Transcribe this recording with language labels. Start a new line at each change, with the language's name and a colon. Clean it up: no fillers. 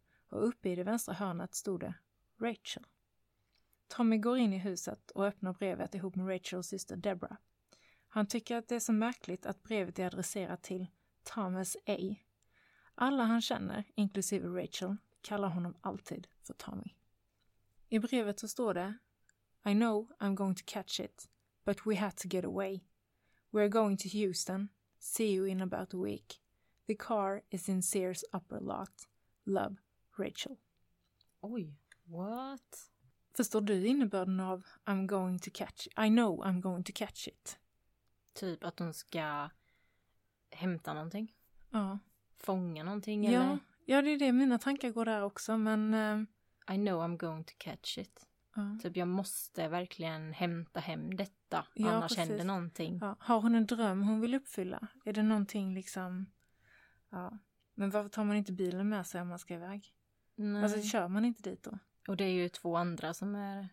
Swedish: Och uppe i det vänstra hörnet stod det Rachel. Tommy går in i huset och öppnar brevet ihop med Rachels syster Deborah. Han tycker att det är så märkligt att brevet är adresserat till Thomas A. Alla han känner, inklusive Rachel, kallar honom alltid för Tommy. I brevet så står det
English: I know I'm going to catch it, but we had to get away. We're going to Houston. See you in about a week. The car is in Sears upper lot. Love, Rachel. Oj, what?
Swedish: Förstår du innebörden av
English: I'm going to catch it? I know I'm going to catch it.
Swedish: Typ att hon ska hämta någonting? Ja. Fånga någonting? Ja, eller? Ja, det är det. Mina tankar går där också, men...
English: I know I'm going to catch it.
Swedish: Ja. Typ jag måste verkligen hämta hem detta, ja, annars händer någonting. Ja. Har hon en dröm hon vill uppfylla? Är det någonting liksom... Ja. Men varför tar man inte bilen med sig om man ska iväg? Nej. Alltså kör man inte dit då? Och det är ju två andra som är...